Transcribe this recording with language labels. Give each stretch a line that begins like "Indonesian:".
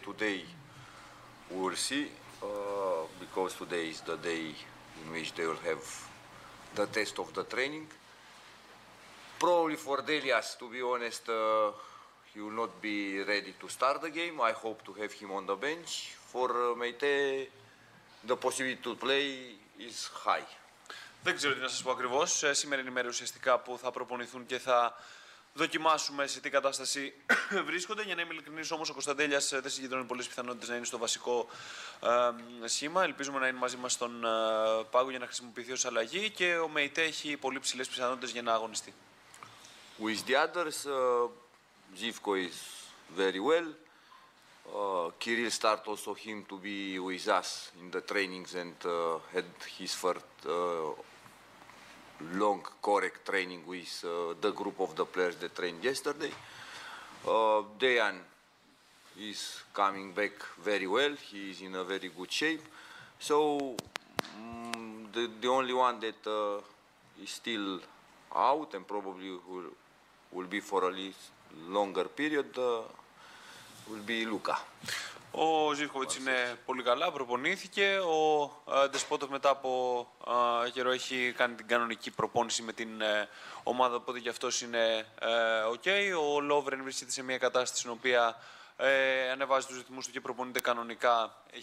English: Today we'll see, because today is the day in which they will have the test of the training. Probably for Delias, to be honest, he will not be ready to start the game. I hope to have him on the bench. For Meite, the possibility to play is high.
Greek: Δεν ξέρω τι να σας πω ακριβώς. Σήμερα είναι η μέρα ουσιαστικά που θα προπονηθούν και θα δοκιμάσουμε σε τι κατάσταση βρίσκονται. Για να είμαι ειλικρινής όμως, ο Κωνσταντέλιας δεν συγκεντρώνει πολλές πιθανότητες να είναι στο βασικό σχήμα. Ελπίζουμε να είναι μαζί μας στον πάγο για να χρησιμοποιηθεί ως αλλαγή και ο Μεϊτέ έχει πολύ ψηλές πιθανότητες για να αγωνιστεί.
English: With the others, Zivko is very well. Kirill start also him to be with us in the trainings and had his first long correct training with the group of the players that trained yesterday. Dejan is coming back very well. He is in a very good shape. So the only one that is still out and probably will be for a longer period will be Luka.
Greek: Ο Ζίβκοβιτς είναι πολύ καλά, προπονήθηκε. Ο Ντεσπότοφ μετά από καιρό έχει κάνει την κανονική προπόνηση με την ομάδα, οπότε και αυτός είναι ok. Ο Λόβρεν βρίσκεται σε μια κατάσταση στην οποία ανεβάζει τους ρυθμούς του και προπονείται κανονικά.